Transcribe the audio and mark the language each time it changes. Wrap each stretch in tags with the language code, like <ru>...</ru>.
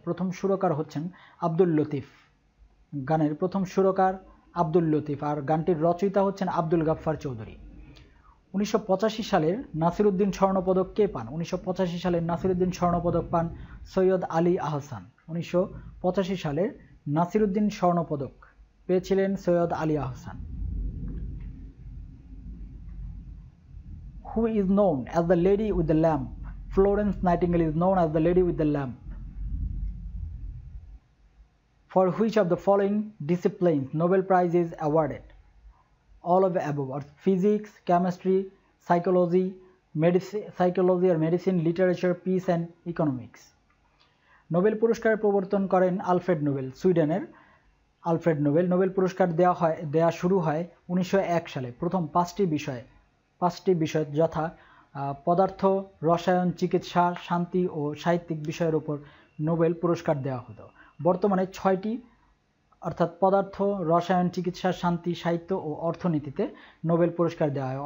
<bn>প্রথম সুরকার হচ্ছেন আব্দুল লতিফ, গানের প্রথম সুরকার আব্দুল লতিফ, আর গানটির রচয়িতা হচ্ছেন আব্দুল গাফফার চৌধুরী। 1985 সালের নাসিরুদ্দিন স্বর্ণপদক কে পান? 1985 সালের নাসিরুদ্দিন স্বর্ণপদক পান সৈয়দ আলী আহসান। 1985 সালের নাসিরুদ্দিন স্বর্ণপদক পেয়েছিলেন Syed Ali Ahsan.</bn> <en>Who is known as the lady with the lamp? Florence Nightingale is known as the lady with the lamp. For which of the following disciplines Nobel Prize is awarded? All of the above are physics, chemistry, psychology, medicine, psychology or medicine, literature, peace and economics.</en> <bn>Nobel Puraskar প্রবর্তন করেন Alfred Nobel, সুইডেনের Alfred Nobel। Nobel Puraskar দেওয়া শুরু হয় 1901 সালে। প্রথম পাঁচটি বিষয় যথা পদার্থ, রসায়ন, চিকিৎসা, শান্তি ও সাহিত্যিক বিষয়ের উপর নোবেল পুরস্কার দেওয়া হতো। বর্তমানে ছয়টি, অর্থাৎ পদার্থ, রসায়ন, চিকিৎসা, শান্তি, সাহিত্য ও অর্থনীতিতে নোবেল পুরস্কার দেওয়া হয়।</bn>